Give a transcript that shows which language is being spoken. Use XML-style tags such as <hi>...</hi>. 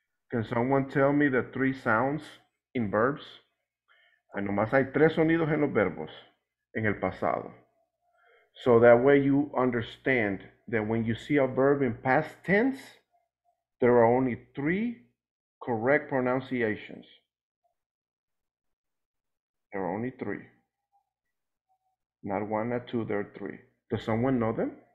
<en>Can someone tell me the three sounds in verbs?</en> <es>Ay, nomás hay tres sonidos en los verbos en el pasado.</es> <en>So that way you understand that when you see a verb in past tense, there are only three correct pronunciations. There are only three. Not one, not two, there are three. Does someone know them?</en>